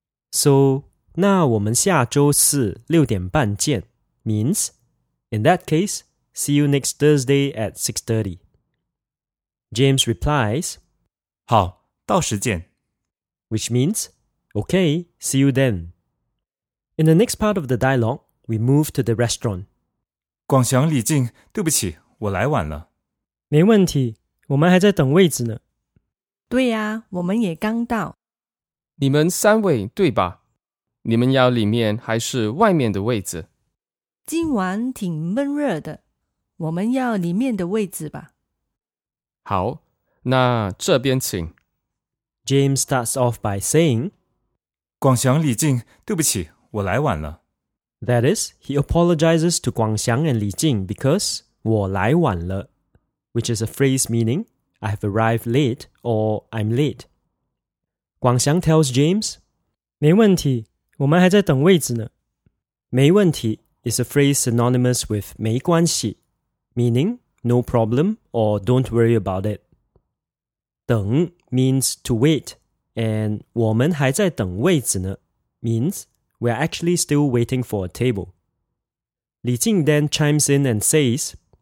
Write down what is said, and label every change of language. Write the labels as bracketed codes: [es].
[en] So, [zh] 那我们下周四六点半见 [en] means, in that case,see you next Thursday at 6:30. James replies, [zh] 好,到时见。 [en] Which means, okay, see you then. In the next part of the dialogue, we move to the restaurant. [zh] 广祥、李静,对不起,我来晚了。没问题,我们还在等位置呢。对呀,我们也刚到。你们三位,对吧? 你们要里面还是外面的位置? 今晚挺闷热的。我们要里面的位置吧。好，那这边请。 [en] James starts off by saying, [zh] 广祥、李静，对不起，我来晚了。 [en] That is, he apologizes to 广祥 and 李静 because [zh] 我来晚了, [en] which is a phrase meaning I have arrived late or I'm late. 广祥 tells James, [zh] 没问题，我们还在等位置呢。 [en] 没问题 is a phrase synonymous with 没关系。 Meaning, no problem or don't worry about it. 等 means to wait And [zh] 我们还在等位子呢 [en] means we are actually still waiting for a table. 李静 then chimes in and says,